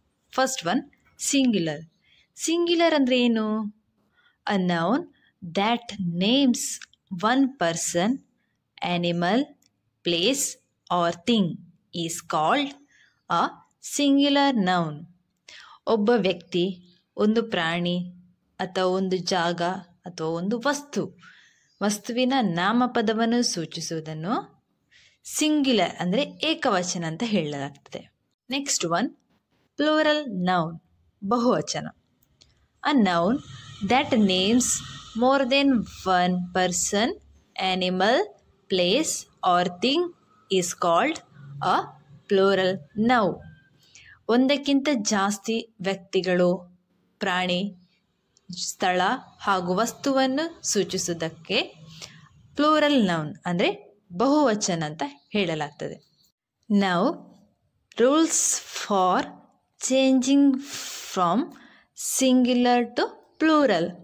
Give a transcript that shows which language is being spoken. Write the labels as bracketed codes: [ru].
[en] First one, singular. Singular [kn] andre enu? [en] A noun that names one person, animal, place or thing is called a singular noun. [kn] ಒಬ್ಬ ವ್ಯಕ್ತಿ, ಒಂದು ಪ್ರಾಣಿ ಅಥವಾ ಒಂದು ಜಾಗ ಅಥವಾ ಒಂದು ವಸ್ತು, ವಸ್ತುವಿನ ನಾಮಪದವನ್ನು ಸೂಚಿಸುವುದನ್ನು ಸಿಂಗ್ಯುಲರ್ ಅಂದರೆ ಏಕವಚನ ಅಂತ ಹೇಳಲಾಗ್ತದೆ. [en] Next one, plural noun, ಬಹುವಚನ. A noun that names more than one person, animal, place or thing is called a plural noun. [kn] ಒಂದಕ್ಕಿಂತ ಜಾಸ್ತಿ ವ್ಯಕ್ತಿಗಳು, ಪ್ರಾಣಿ, ಸ್ಥಳ ಹಾಗೂ ವಸ್ತುವನ್ನು ಸೂಚಿಸುವುದಕ್ಕೆ ಪ್ಲೂರಲ್ ನೌನ್ ಅಂದರೆ ಬಹುವಚನ ಅಂತ ಹೇಳಲಾಗ್ತದೆ. [en] Now rules for changing from singular to plural.